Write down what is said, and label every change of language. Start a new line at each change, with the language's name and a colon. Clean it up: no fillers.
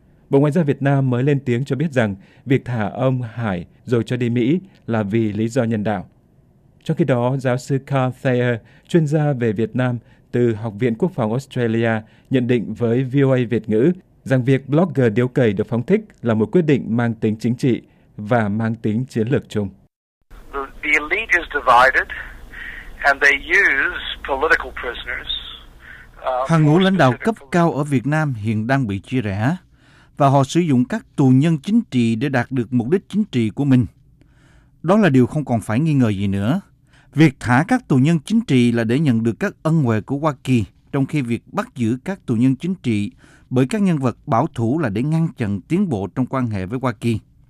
Vietnamese: Bộ Ngoại giao Việt Nam mới lên tiếng cho biết rằng việc thả ông Hải rồi cho đi Mỹ là vì lý do nhân đạo. Trong khi đó, giáo sư Carl Thayer, chuyên gia về Việt Nam từ Học viện Quốc phòng Australia, nhận định với VOA Việt ngữ rằng việc blogger Điếu Cày được phóng thích là một quyết định mang tính chính trị và mang tính chiến lược chung.
English: The elite is divided and they use political prisoners.
Vietnamese: Hàng ngũ lãnh đạo cấp cao ở Việt Nam hiện đang bị chia rẽ và họ sử dụng các tù nhân chính trị để đạt được mục đích chính trị của mình. Đó là điều không còn phải nghi ngờ gì nữa. Việc thả các tù nhân chính trị là để nhận được các ân huệ của Hoa Kỳ, trong khi việc bắt giữ các tù nhân chính trị bởi các nhân vật bảo thủ là để ngăn chặn tiến bộ trong quan hệ với Hoa Kỳ.